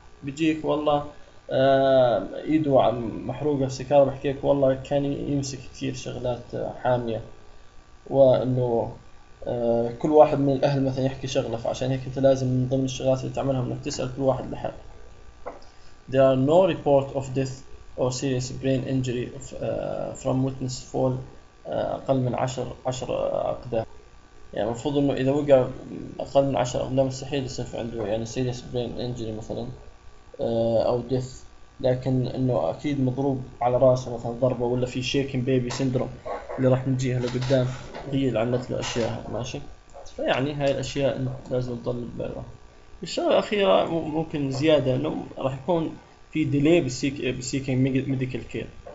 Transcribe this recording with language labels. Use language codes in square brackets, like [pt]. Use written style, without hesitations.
[ar] بيجيك والله ايده محروقه في سكارة، بحكي لك والله كان يمسك كثير شغلات حاميه، وانه كل واحد من الاهل مثلا يحكي شغله، فعشان هيك انت لازم من ضمن الشغلات اللي تعملها انك تسال كل واحد لحاله. [en] There are no report of death or serious brain injury of, from witness fall [ar] اقل من 10 اقدام، يعني المفروض انه اذا وقع اقل من 10 اقدام مستحيل يصير عنده يعني serious brain injury مثلا او death، لكن انه اكيد مضروب على راسه مثلا ضربه، ولا في شيكن بيبي سندروم اللي راح نجيها لقدام هي اللي عملت له الاشياء. ماشي، فيعني هاي الاشياء لازم تضل ببالها. الشغله الاخيره ممكن زياده، انه راح يكون في ديلي بالسيكن ميديكال كير.